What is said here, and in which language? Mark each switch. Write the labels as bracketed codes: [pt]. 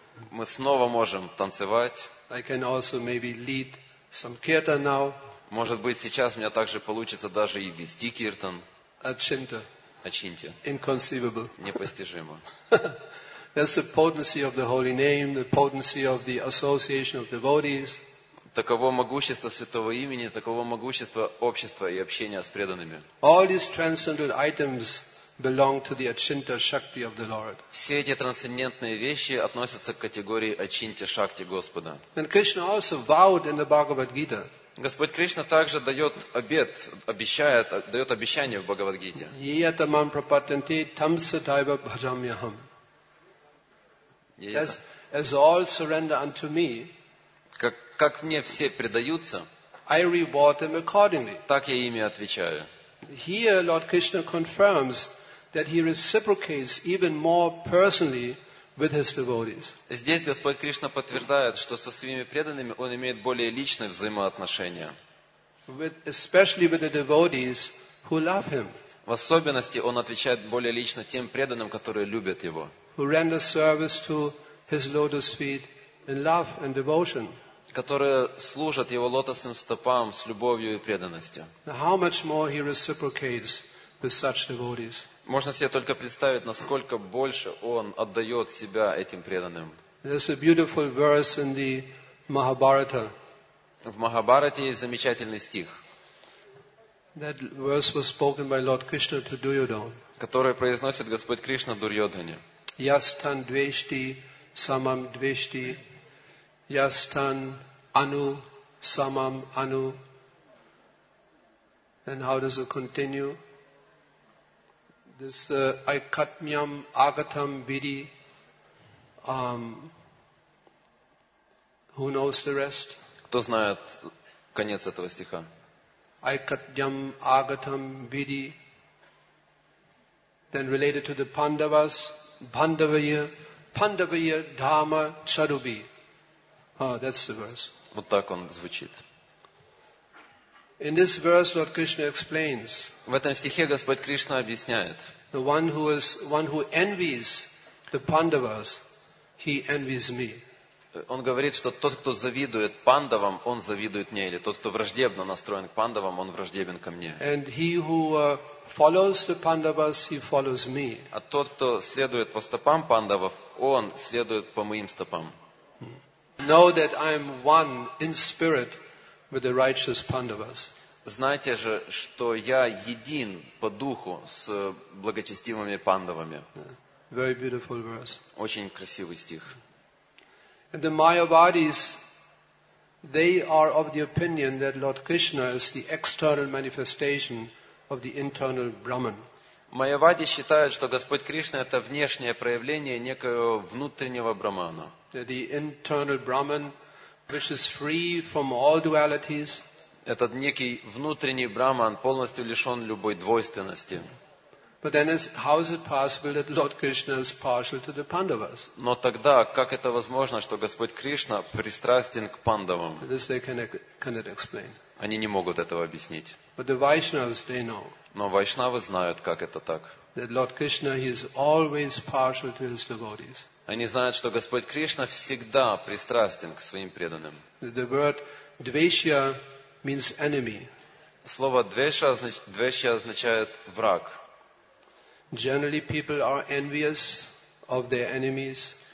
[ru] Мы снова можем танцевать. [en] I can also maybe lead some kirtan now. [ru] Может быть, сейчас у меня также получится даже и вести киртан. [sa] Ачинта. Ачинтья. [en] Inconceivable. [ru] Непостижимо. [en] That's the potency of the holy name, the potency of the association of devotees. [ru] Таково могущество святого имени, таково могущество общества и общения с преданными. [en] All these transcendental items belong to the Achinta Shakti of the Lord. [ru] Все эти трансцендентные вещи относятся к категории Ачинтья Шакти Господа. [en] And Krishna also vowed in the Bhagavad Gita. [ru] Господь Кришна также дает обет, обещает, дает обещание в Бхагавад-гите. [sa] Йетамам прапатанте тамсатайва бхаджамьяхам. [en] As all surrender unto me, [ru] как мне все предаются, [en] I reward them accordingly. [ru] Так я ими отвечаю. [en] Here Lord Krishna confirms that he reciprocates even more personally with his devotees. [ru] Здесь Господь Кришна подтверждает, что со своими преданными он имеет более личные взаимоотношения. [en] Especially with the devotees who love him. [ru] В особенности он отвечает более лично тем преданным, которые любят его. [en] Who render service to his lotus feet in love and devotion. [ru] Которые служат его лотосным стопам с любовью и преданностью. [en] Now how much more he reciprocates with such devotees. [ru] Можно себе только представить, насколько больше он отдает себя этим преданным. [en] There's a beautiful verse in the Mahabharata. [ru] В Махабхарате есть замечательный стих, [en] that verse was spoken by Lord Krishna to Duryodhana, [ru] который произносит Господь Кришна Дурьодхане. [sa] Ястан двешти самам двешти, ястан ану самам ану. [en] And how does it continue? This [sa] aikatmyam agatam vidi. [en] Who knows the rest? [ru] Кто знает конец этого стиха? [sa] Aikatmyam agatam vidi. [en] Then related to the Pandavas, Pandavaya, [sa] Pandavaya dhamma charubi. [en] Oh, that's the verse. [ru] Вот так он звучит. [en] In this verse, Lord Krishna explains. [ru] В этом стихе Господь Кришна объясняет. [en] The one who is one who envies the Pandavas, he envies me. [ru] Он говорит, что тот, кто завидует Пандавам, он завидует мне, или тот, кто враждебно настроен к Пандавам, он враждебен ко мне. [en] And he who follows the Pandavas, he follows me. [ru] А тот, кто следует по стопам Пандавов, он следует по моим стопам. [en] Know that I am one in spirit with the righteous Pandavas. [ru] Знайте же, что я един по духу с благочестивыми Пандавами. [en] Very beautiful verse. [ru] Очень красивый стих. [en] And the Mayavadis, they are of the opinion that Lord Krishna is the external manifestation of the internal Brahman. [ru] Майявади считают, что Господь Кришна это внешнее проявление некоего внутреннего Брахмана. [en] The internal Brahman, which is free from all dualities. [ru] Этот некий внутренний Брахман полностью лишен любой двойственности. [en] But then, how is it possible that Lord Krishna is partial to the Pandavas? [ru] Но тогда как это возможно, что Господь Кришна пристрастен к Пандавам? [en] This they cannot explain. [ru] Они не могут этого объяснить. [en] But the Vaishnavas, they know. [ru] Но вайшнавы знают, как это так. [en] That Lord Krishna, he is always partial to his devotees. [ru] Они знают, что Господь Кришна всегда пристрастен к своим преданным. [en] The word dvesha means enemy. [ru] Слово dvesha означает враг. [en] Generally, people are envious of their enemies.